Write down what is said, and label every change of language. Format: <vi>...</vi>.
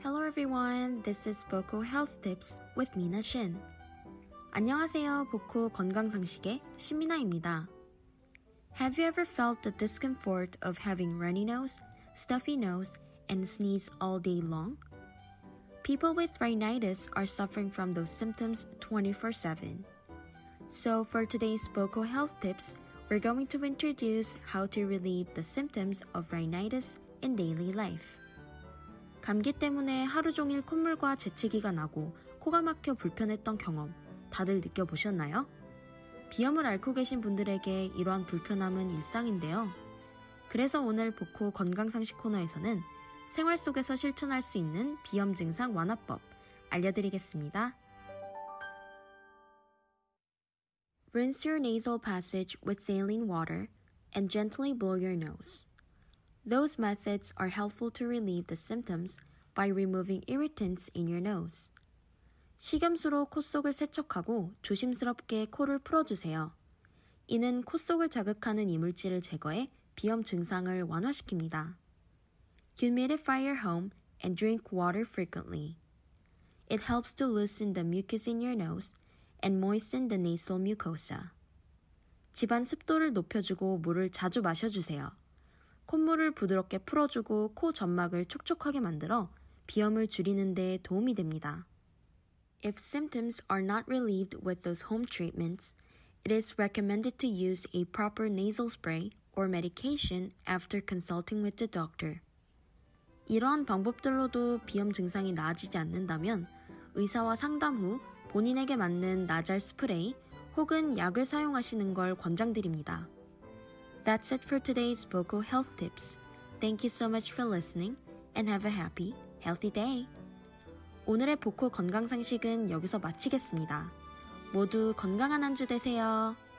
<en>Everyone, this is Boku Health Tips with Mina Shin.</en> <ko>안녕하세요, 보코 건강 상식의 신미나입니다.</ko> <en>Have you ever felt the discomfort of having runny nose, stuffy nose, and sneeze all day long? People with rhinitis are suffering from those symptoms 24/7. So for today's Boku Health Tips, we're going to introduce how to relieve the symptoms of rhinitis in daily life.</en> <ko>감기 때문에 하루 종일 콧물과 재채기가 나고 코가 막혀 불편했던 경험 다들 느껴보셨나요? 비염을 앓고 계신 분들에게 이러한 불편함은 일상인데요. 그래서 오늘 보코 건강상식 코너에서는 생활 속에서 실천할 수 있는 비염 증상 완화법 알려드리겠습니다.</ko> <en>Rinse your nasal passage with saline water and gently blow your nose. Those methods are helpful to relieve the symptoms by removing irritants in your nose.</en> <ko>식염수로 콧속을 세척하고 조심스럽게 코를 풀어주세요. 이는 콧속을 자극하는 이물질을 제거해 비염 증상을 완화시킵니다.</ko> <en>Humidify your home and drink water frequently. It helps to loosen the mucus in your nose and moisten the nasal mucosa.</en> <ko>집안 습도를 높여주고 물을 자주 마셔주세요. 콧물을 부드럽게 풀어주고 코 점막을 촉촉하게 만들어 비염을 줄이는 데 도움이 됩니다.</ko> <en>If symptoms are not relieved with those home treatments, it is recommended to use a proper nasal spray or medication after consulting with the doctor.</en> <ko>이러한 방법들로도 비염 증상이 나아지지 않는다면 의사와 상담 후 본인에게 맞는 나잘 스프레이 혹은 약을 사용하시는 걸 권장드립니다.</ko> <en>That's it for today's Boku Health Tips. Thank you so much for listening and have a happy, healthy day.</en> <ko>오늘의 보코 건강 상식은 여기서 마치겠습니다. 모두 건강한 한 주 되세요.</ko>